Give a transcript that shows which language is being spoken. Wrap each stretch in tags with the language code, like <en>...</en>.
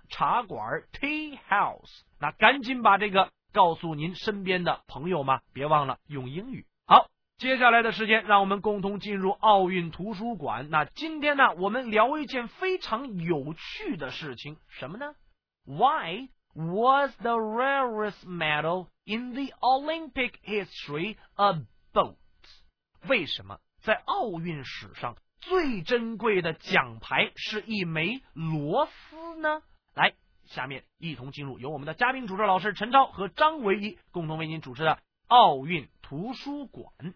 <zh>茶馆 ,tea house。那赶紧把这个告诉您身边的朋友吗？别忘了用英语。好，接下来的时间让我们共同进入奥运图书馆。那今天呢，我们聊一件非常有趣的事情，什么呢？</zh> <en>Why was the rarest medal in the Olympic history a boat?</en> <zh>为什么在奥运史上最珍贵的奖牌是一枚螺丝呢？来，下面一同进入由我们的嘉宾主持老师陈超和张维一共同为您主持的奥运图书馆。</zh>